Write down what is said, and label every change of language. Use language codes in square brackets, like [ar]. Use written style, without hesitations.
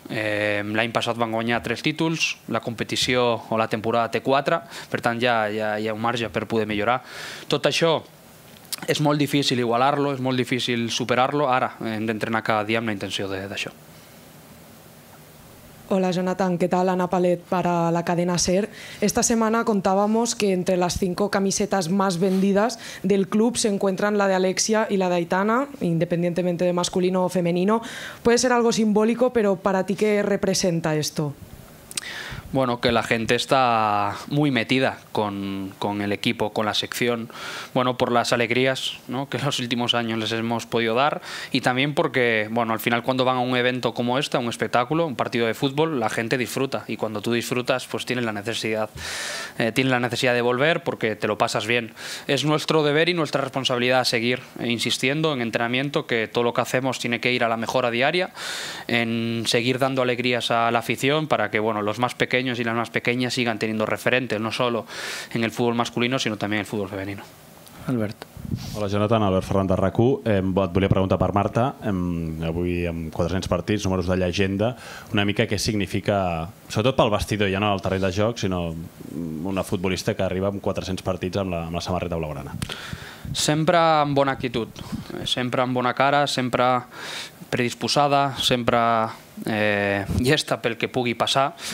[ca] L'any passat van guanyar 3 títols, la competició o la temporada té 4, per tant hi ha un marge per poder millorar. Tot això és molt difícil igualar-lo, és molt difícil superar-lo. Ara hem d'entrenar cada dia amb la intenció d'això. [es] Hola, Jonathan, ¿qué tal? Ana Palet para la cadena SER. Esta semana contábamos que entre las 5 camisetas más vendidas del club se encuentran la de Alexia y la de Aitana, independientemente de masculino o femenino. Puede ser algo simbólico, pero ¿para ti qué representa esto? Bueno, que la gente está muy metida con el equipo, con la sección, bueno, por las alegrías, ¿no?, que en los últimos años les hemos podido dar, y también porque, bueno, al final cuando van a un evento como este, a un espectáculo, un partido de fútbol, la gente disfruta, y cuando tú disfrutas, pues tienen la necesidad de volver porque te lo pasas bien. Es nuestro deber y nuestra responsabilidad seguir insistiendo en entrenamiento, que todo lo que hacemos tiene que ir a la mejora diaria, en seguir dando alegrías a la afición para que, bueno, los más pequeños y las más pequeñas sigan teniendo referentes, no solo en el fútbol masculino, sino también en el fútbol femenino. [ca] Albert. Hola, Jonathan, Albert Ferran de RAC1. Et volia preguntar per Marta. Avui amb 400 partits, números de llegenda, una mica què significa, sobretot pel vestidor, ja no al terreny de joc, sinó una futbolista que arriba amb 400 partits amb la samarreta blaugrana. Sempre amb bona actitud, sempre amb bona cara, sempre predisposada, sempre llesta pel que pugui passar.